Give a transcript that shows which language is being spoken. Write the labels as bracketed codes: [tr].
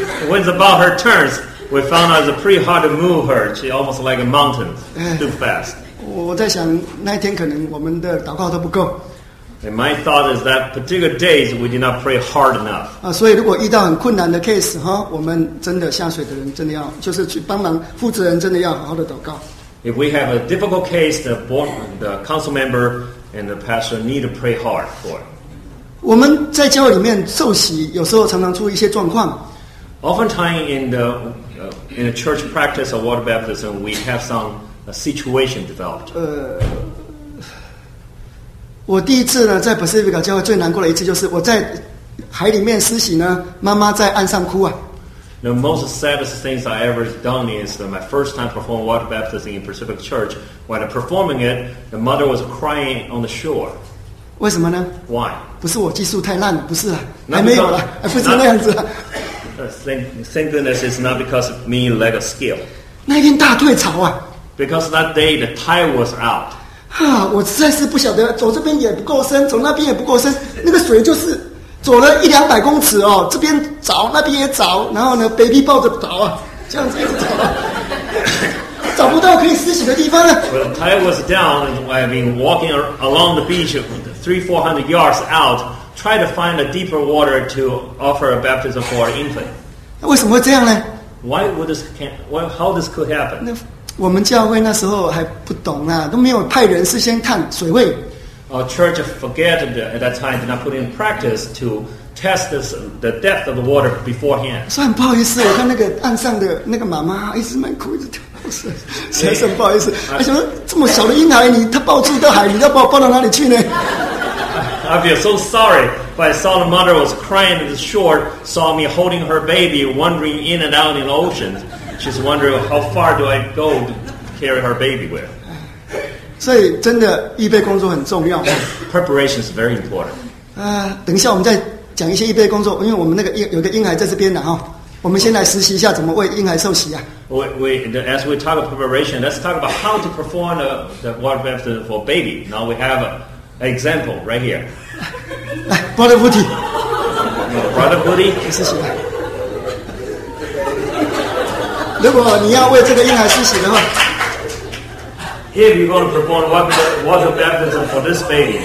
[en] When it's about her turns, we found out it's pretty hard to move her. She almost like a mountain, too fast. [zh] 我在想那一天可能我们的祷告都不够。 [en] And my thought is that particular days we did not pray hard enough. [zh] 所以如果遇到很困难的 case 哈，我们真的下水的人真的要，就是去帮忙负责人真的要好好的祷告。 [en] If we have a difficult case, the council member and the pastor need to pray hard for it. [zh] 我们在教会里面受洗，有时候常常出一些状况。 [en] Oftentimes in the church practice of water baptism, we have some situation developed. [zh] 我第一次呢，在 Pacific 教会最难过的一次，就是我在海里面施洗呢，妈妈在岸上哭啊。 [en] The most saddest things I ever done is that my first time performing water baptism in Pacific Church. When I'm performing it, the mother was crying on the shore. [zh] 为什么呢 [en] ？Why？ [zh] 不是我技术太烂了，不是啦，还没有了，还不是那样子。 [en] Thank goodness it's not because of me lack of skill。 [zh] 那一天大退潮啊 [en] ！Because that day the tide was out。 [zh] 啊，我实在是不晓得，走这边也不够深，走那边也不够深，那个水就是走了一两百公尺哦，这边找那边也找，然后呢 ，baby 抱着找啊，这样子一直找、啊。找不到可以施洗的地方了。 [en] Well, the tide was down. I've been walking along the beach, 300-400 yards out, try to find a deeper water to offer a baptism for our infant. [zh] 那为什么会这样呢 [en] ？Why would this how this could happen? 那 [zh] 我们教会那时候还不懂啊，都没有派人事先探水位。 [en] Our church forget at that time did not put in practice to test the depth of the water beforehand. [zh] 所以很不好意思，我看那个岸上的那个妈妈一直蛮哭，一直跳。先生，不好意思，他想说这么小的婴孩，你他抱住大海，你要把我抱到哪里去呢 [en] ？I feel so sorry, but I saw the mother was crying at the shore, saw me holding her baby, wandering in and out in the ocean. She's wondering how far do I go to carry her baby with. [zh] 所以真的预备工作很重要。 [en] Preparation is very important. [zh] 等一下我们再讲一些预备工作，因为我们那个有个婴孩在这边呢哈。我们先来实习一下怎么为婴孩受洗啊 [en] As we talk about preparation, let's talk about how to perform the water baptism for baby. Now we have an example right here. [zh] 来 ，Brother Woody. [en] Brother Woody, [zh] 你实习吧。如果你要为这个婴孩实习的话 [en] ，If you want to perform water baptism for this baby,